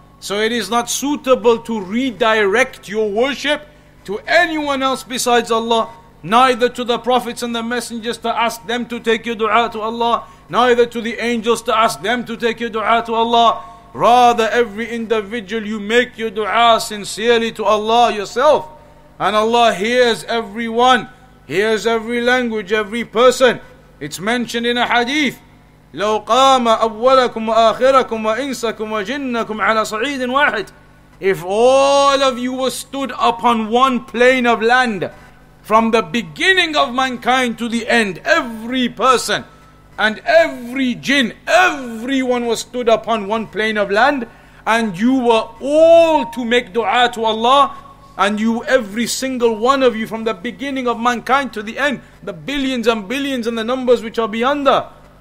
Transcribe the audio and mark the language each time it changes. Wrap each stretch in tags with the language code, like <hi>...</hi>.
<en>So it is not suitable to redirect your worship to anyone else besides Allah, neither to the prophets and the messengers to ask them to take your dua to Allah, neither to the angels to ask them to take your dua to Allah. Rather, every individual, you make your dua sincerely to Allah yourself, and Allah hears everyone, hears every language, every person. It's mentioned in a hadith,</en> <ar>لَوْ قَامَ أَوَّلَكُمْ وَآخِرَكُمْ وَإِنسَكُمْ وَجِنَّكُمْ عَلَى صَعِيدٍ وَاحِدٍ.</ar> <en>If all of you were stood upon one plane of land, from the beginning of mankind to the end, every person and every jinn, everyone was stood upon one plane of land, and you were all to make dua to Allah, and you, every single one of you, from the beginning of mankind to the end, the billions and billions and the numbers which are beyond that,</en>